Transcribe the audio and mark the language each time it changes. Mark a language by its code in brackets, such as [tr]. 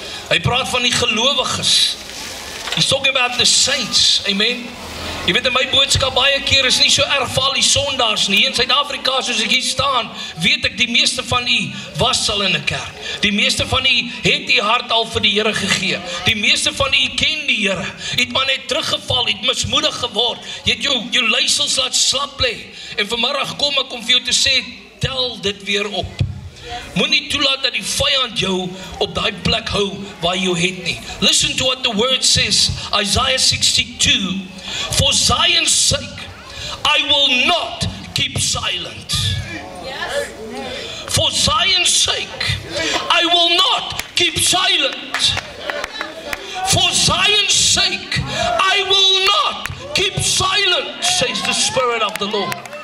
[af] Hy praat van die gelowiges. [en] He's talking about the saints, amen. [af] Jy weet, in my boodskap baie keer is nie so erg vir al die sondaars nie. In Suid-Afrika, soos ek hier staan, weet ek die meeste van u was al in 'n kerk. Die meeste van u het u hart al vir die Here gegee. Die meeste van u ken die Here. U het maar net teruggeval, u het mismoedig geword. Jy het jou leisels laat slap lê. En vanmiddag kom ek om vir jou te sê, tel dit weer op. Moenie toelaat dat die vyand jou op daai plek hou waar jy het nie. [en] Listen to what the word says, Isaiah 62. For Zion's sake, I will not keep silent. For Zion's sake, I will not keep silent. For Zion's sake, I will not keep silent, says the Spirit of the Lord.